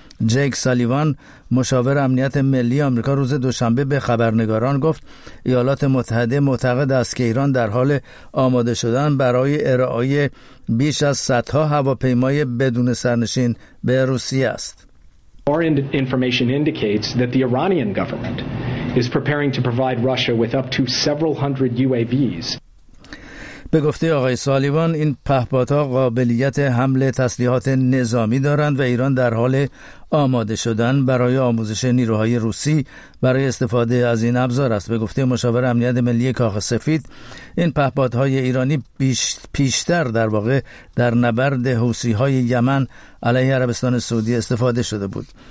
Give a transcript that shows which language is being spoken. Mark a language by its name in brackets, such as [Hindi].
[Persian] جک سالیوان مشاور امنیت ملی آمریکا روز دوشنبه به خبرنگاران گفت ایالات متحده معتقد است که ایران در حال آماده شدن برای ارائه بیش از 100 هواپیمای بدون سرنشین به روسیه است. [English] Our information indicates that the Iranian government is preparing to provide Russia with up to several hundred UAVs. [Persian] به گفته آقای سالیوان، این پهپادها قابلیت حمل تسلیحات نظامی دارند و ایران در حال آماده شدن برای آموزش نیروهای روسی برای استفاده از این ابزار است. به گفته مشاور امنیت ملی کاخ سفید، این پهپادهای ایرانی پیشتر در واقع در نبرد حوثی‌های یمن علیه عربستان سعودی استفاده شده بود.